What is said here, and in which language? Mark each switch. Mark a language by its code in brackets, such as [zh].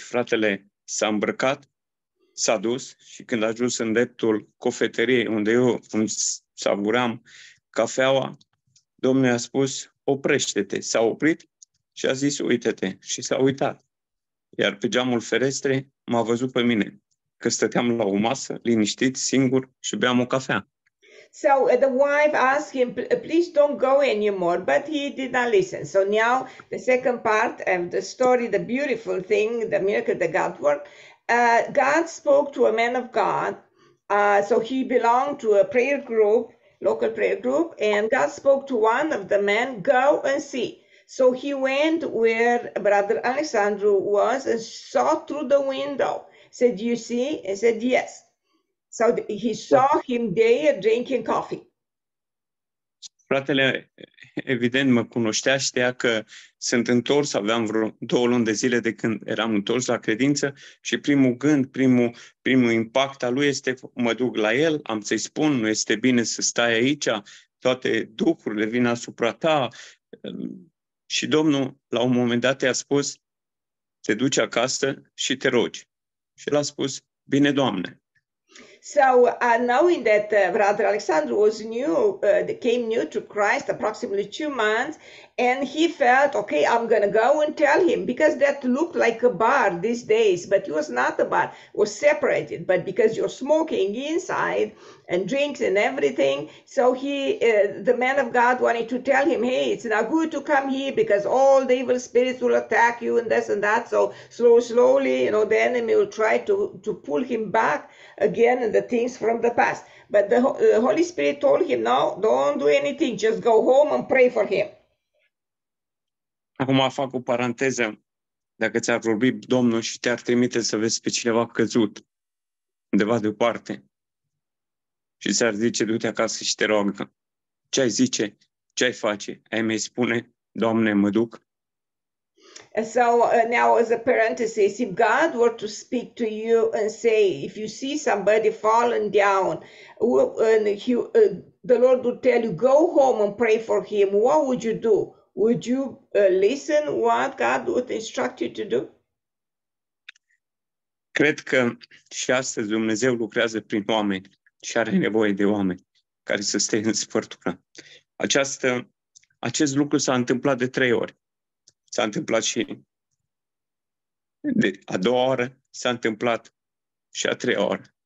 [ro] Fratele s-a îmbrăcat, s-a dus și când a ajuns în dreptul cofetăriei unde eu îmi savuream cafeaua, Domnul i-a spus... Oprește-te. S-a oprit și a zis, uite-te. Și s-a uitat. Iar pe geamul ferestre m-a văzut pe mine, că stăteam la o masă, liniștit, singur, și beam o cafea. [en] So the wife asked him, please don't go anymore, but he did not listen. So now the second part of the story, the beautiful thing, the miracle that God worked. God spoke to a man of God, so he belonged to a prayer group, local prayer group, and God spoke to one of the men, go and see. So he went where Brother Alessandro was and saw through the window. Said, you see? He said, yes. So he saw him there drinking coffee. [ro] Fratele, evident, mă cunoștea, știa că sunt întors, aveam vreo două luni de zile de când eram întors la credință și primul gând, primul impact al lui este, mă duc la el, am să-i spun, nu este bine să stai aici, toate duhurile vin asupra ta. Și Domnul, la un moment dat, i-a spus, te duci acasă și te rogi. Și l-a spus, bine, Doamne. [en] So knowing that Brother Alexandru was came new to Christ approximately 2 months, and he felt, okay, I'm going to go and tell him, because that looked like a bar these days, but it was not a bar, it was separated, but because you're smoking inside and drinks and everything, so the man of God wanted to tell him, hey, it's not good to come here because all the evil spirits will attack you and this and that, so slowly, you know, the enemy will try to pull him back again and the things from the past. But the Holy Spirit told him, no, don't do anything, just go home and pray for him. [ro] Acum fac o paranteză, dacă ți-ar vorbi Domnul și te-ar trimite să vezi pe cineva căzut undeva departe și ți-ar zice, du-te acasă și te rog, ce ai zice, ce ai face, ai mai spune, Doamne, mă duc? [en] So now as a parenthesis, if God were to speak to you and say, if you see somebody fallen down, and the Lord would tell you, go home and pray for him, what would you do? Would you listen what God would instruct you to do? [ro] Cred că și astăzi Dumnezeu lucrează prin oameni și are nevoie de oameni care să stea în sfârtură. Acest lucru s-a întâmplat de 3 ori. S-a întâmplat și de a doua oară, s-a întâmplat și a treia oară.